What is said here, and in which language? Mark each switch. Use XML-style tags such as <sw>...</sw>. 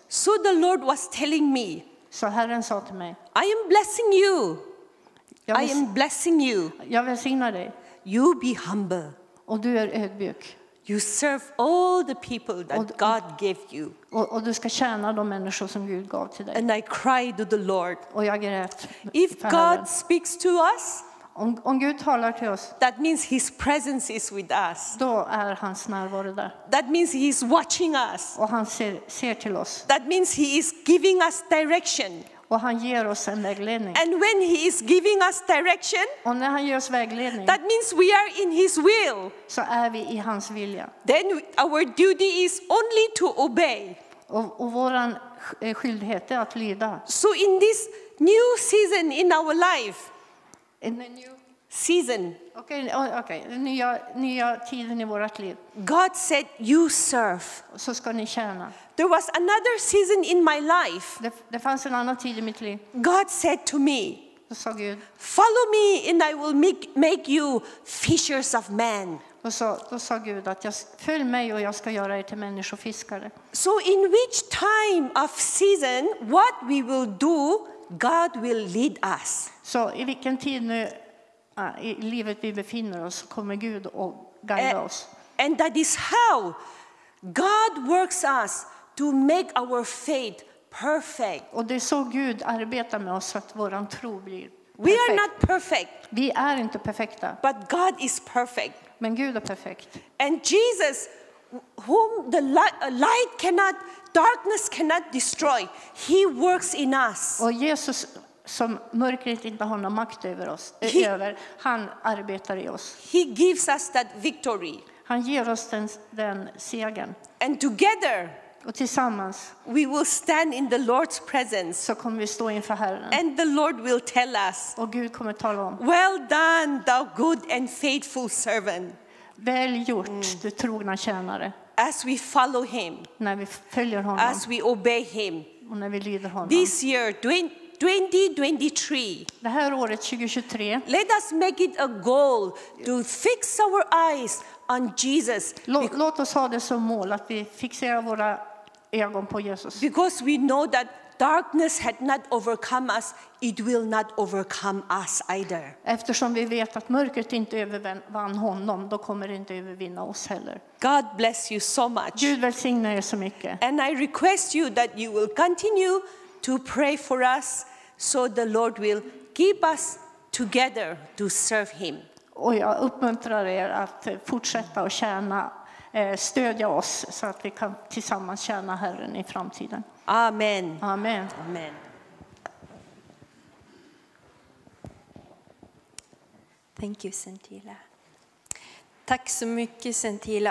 <en>So the Lord was telling me.</en> <sv>Så Herren sa till mig.</sv> <en>I am blessing you. I am blessing you.</en> <sv>Jag välsignar dig.</sv> <en>You be humble.</en> <sv>Och du är ödmjuk.</sv> <en>You serve all the people that God gave you.</en> <sv>Och du ska tjäna de människor som Gud gav till dig.</sv> <en>And I cried to the Lord.</en> <sv>Och jag grät.</sv> <en>If God speaks to us.</en> <sv>Om Gud talar till oss.</sv> <en>That means his presence is with us.</en> <sv>Då är hans närvaro där.</sv> <en>That means he is watching us.</en> <sv>Och han ser till oss.</sv> <en>That means he is giving us direction.</en> <sv>Och han ger oss en vägledning.</sv> <en>And when he is giving us direction.</en> <sv>Och när han ger oss vägledning.</sv> <en>That means we are in his will.</en> <sv>Så är vi i hans vilja.</sv> <en>Then our duty is only to obey.</en> <sv>Och våran skyldighet är att lyda.</sv> <en>So in this new season in our life. In the new season.</en> <sv>Okay. Nya tiden i vårt liv.</sv> <en>God said, "You serve."</en> <sv>Så ska ni tjäna.</sv> <en>There was another season in my life.</en> <sv>Det fanns en annan tid i mitt liv.</sv> <en>God said to me,</en> <sv>så sa Gud,</sv> <en>"Follow me, and I will make you fishers of men."</en> <sv>Då sa Gud att jag följ mig och jag ska göra er till människofiskare.</sv> <en>So in which time of season, what we will do, God will lead us.</en> <sv>Så i vilken tid nu i livet vi befinner oss kommer Gud att guida oss.</sv> <en>And that is how God works us to make our faith perfect.</en> <sv>Och det är så Gud arbetar med oss att våran tro blir perfekt.</sv> <en>We are not perfect.</en> <sv>Vi är inte perfekta.</sv> <en>But God is perfect.</en> <sv>Men Gud är perfekt.</sv> <en>And Jesus, whom the light cannot, darkness cannot destroy, he works in us.</en> <sv>Och Jesus som mörkret inte har någon makt över oss, han arbetar i oss.</sv> <en>He gives us that victory.</en> <sv>Han ger oss den segern.</sv> <en>And together,</en> <sv>och tillsammans,</sv> <en>we will stand in the Lord's presence.</en> <sv>Så kommer vi stå inför Herren.</sv> <en>And the Lord will tell us.</en> <sv>Och Gud kommer tala om.</sv> <en>Well done, thou good and faithful servant.</en> <sv>Väl gjort, du trogna tjänare.</sv> <en>As we follow him.</en> <sv>När vi följer honom.</sv> <en>As we obey him.</en> <sv>Och när vi lyder honom.</sv> <en>This year, 2023.</en> <sv>Det här året 2023.</sv> <en>Let us make it a goal to fix our eyes on Jesus.</en> <sv>Låt oss ha det som mål att vi fixerar våra ögon på Jesus.</sv> <en>Because we know that darkness had not overcome us, it will not overcome us either.</en> <sv>Eftersom vi vet att mörkret inte övervann honom, då kommer det inte övervinna oss heller.</sv> <en>God bless you so much.</en> <sv>Gud välsigna er så mycket.</sv> <en>And I request you that you will continue to pray for us so the Lord will keep us together to serve him.</en> <sv>Och jag uppmuntrar er att fortsätta och tjäna, stödja oss så att vi kan tillsammans tjäna Herren i framtiden. Amen. Amen. Amen.</sv> <en>Thank you,</en> <sv>Centila. Tack så mycket, Centila.</sv>